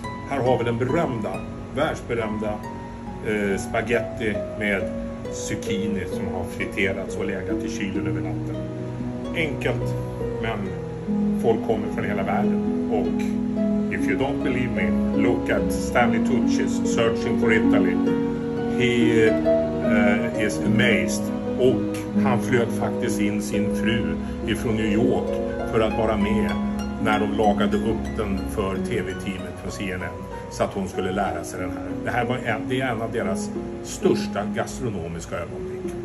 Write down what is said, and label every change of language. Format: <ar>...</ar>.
<sv>Här har vi den berömda, världsberömda spaghetti med zucchini som har friterats och legat i kylen över natten. Enkelt, men folk kommer från hela världen.</sv> <en>Och if you don't believe me, look at Stanley Tucci's Searching for Italy. He is amazed.</en> <sv>Och han flög faktiskt in sin fru ifrån New York för att vara med när de lagade upp den för tv-teamet på CNN, så att hon skulle lära sig den här. Det här var en av deras största gastronomiska ögonblick.</sv>